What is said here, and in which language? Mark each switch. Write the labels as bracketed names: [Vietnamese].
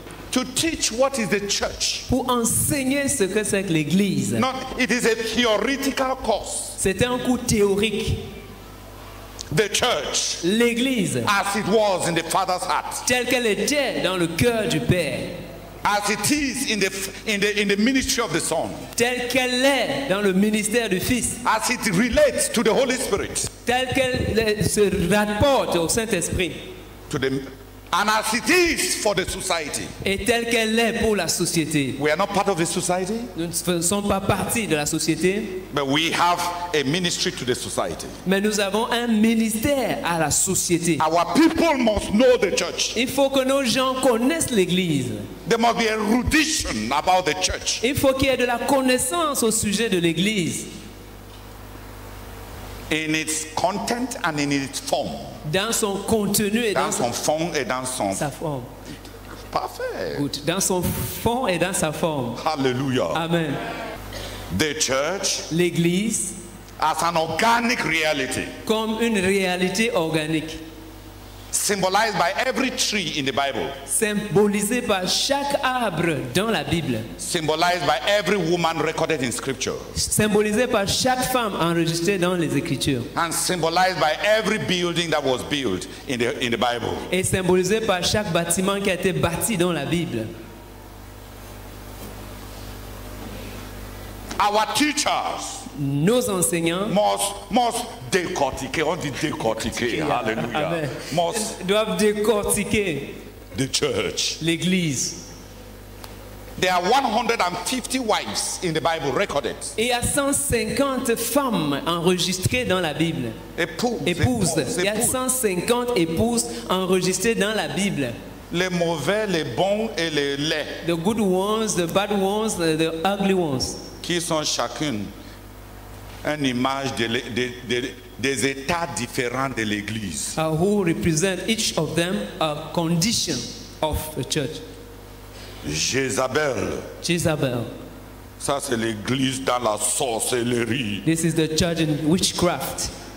[English] To teach what is the church. [French] Pour enseigner ce que c'est que l'église. [English] Not, it is a theoretical course. [French] C'est un cours théorique. [English] The church, [French] l'église, [English] as it was in the Father's heart, [French] telle qu'elle était dans le cœur du Père, [English] as it is in the ministry of the Son, [French] telle qu'elle est dans le ministère du Fils, [English] as it relates to the Holy Spirit, [French] telle qu'elle se rapporte au Saint-Esprit, [English] to the And as it is for the society. [French] Et telle qu'elle est pour la société. [English] We are not part of the society. [French] Nous ne faisons pas partie de la société. [English] But we have a ministry to the society. [French] Mais nous avons un ministère à la société. [English] Our people must know the church. [French] Il faut que nos gens connaissent l'église. [English] There must be erudition about the church. [French] Il faut qu'il y ait de la connaissance au sujet de l'église. [English] In its content and in its form. [French] Dans son contenu et dans son fond et dans son sa forme. Parfait. [English] Good. [French] Dans son fond et dans sa forme. Hallelujah. Amen. [English] The church. [French] L'église. [English] As an organic reality. [French] Comme une réalité organique. [English] Symbolized by every tree in the Bible. [French] Symbolisé par chaque arbre dans la Bible. [English] Symbolized by every woman recorded in Scripture. [French] Symbolisé par chaque femme enregistrée dans les Écritures. [English] And symbolized by every building that was built in the Bible. [French] Et symbolisé par chaque bâtiment qui a été bâti dans la Bible. [English] Our teachers. [French] Nos enseignants [English] must [French] décortiquer, on dit décortiquer, hallelujah. Amen. [English] Must [French] doivent décortiquer [English] the church. [French] L'église. [English] There are 150 wives in the Bible recorded. [French] Il y a 150 femmes enregistrées dans la Bible. Épouses. Il y a 150 épouses enregistrées dans la Bible. Les mauvais, les bons et les laids. [English] The good ones, the bad ones, the ugly ones. [French] Qui sont chacune une image des états différents de l'église. [English] Who represent each of them a condition of the church. [French] Jezabel. Ça c'est l'église dans la sorcellerie. [English] This is the church in witchcraft.